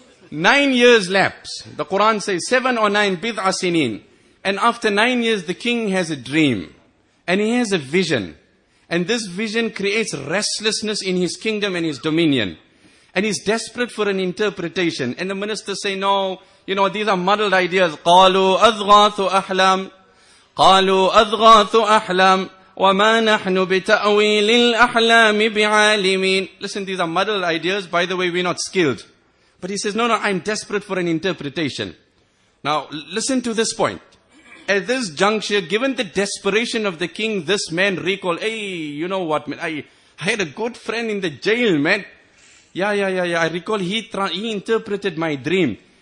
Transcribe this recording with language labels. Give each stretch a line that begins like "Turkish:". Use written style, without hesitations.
English: 9 years lapse. The Quran says 7 or 9 bid'a sinin. And after 9 years, the king has a dream. And he has a vision. And this vision creates restlessness in his kingdom and his dominion. And he's desperate for an interpretation. And the ministers say, no, you know, these are muddled ideas.
Arabic: قَالُوا أَذْغَاثُ أَحْلَامُ قَالُوا أَذْغَاثُ أَحْلَامُ وَمَا نَحْنُ بِتَأْوِيلِ الْأَحْلَامِ بِعَالِمِينَ
English: Listen, these are muddled ideas. By the way, we're not skilled. But he says, no, I'm desperate for an interpretation. Now, listen to this point. At this juncture, given the desperation of the king, this man recalled, hey, you know what, man, I had a good friend in the jail, man. Yeah, I recall he interpreted my dream.